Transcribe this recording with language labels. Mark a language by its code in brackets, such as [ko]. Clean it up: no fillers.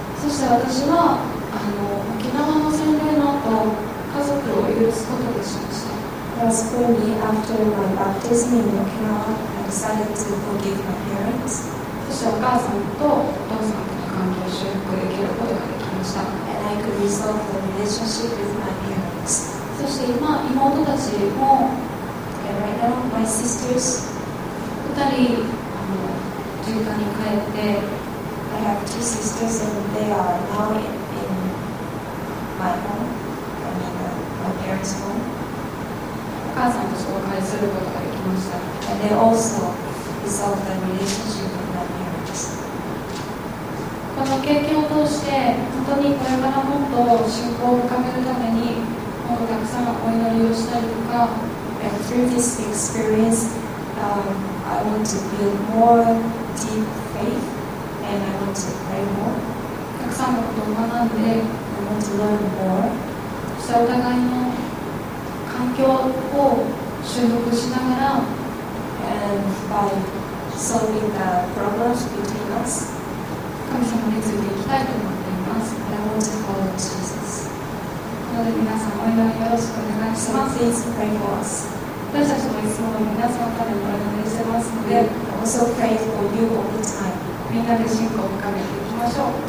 [ja] そして私は沖縄の洗礼の後、家族を許すことにしました。 [en] That's for me, after my baptism in Okinawa, I decided to forgive my parents. [ja] そしてお母さんとお父さんとの関係を修復できることができました。 [en] And I could resolve the relationship with my parents. [ja] そして今、妹たちも、 [en] And right now, my sisters, [ja] 二人実家に帰って、 [en] I have two sisters and they are now in my home. I mean, my parents' home. [ja] お母さんと紹介することができました。 [en] And they also resolved the relationship with my parents. [ja] ここの経験を通して本当にこれからもっと信仰を深めるためにもっとたくさんお祈りをしたりとか [en] And through this experience、I want to build more deep faith and I want to pray more [ja] たくさんのことを学んで [en] I want to learn more [ja] そしてお互いの環境を修復しながら [en] And by solving the problems between us [ja] 神様についていきたいと思っています。 [en] I want to follow Jesus. [ja] なので皆さんお祈りよろしくお願いします。 [en] Please pray for us. [ja] 私たちもいつも皆様からお祈りしてますので、 [en] also pray for you all the time. [ja] みんなで信仰を深めていきましょう。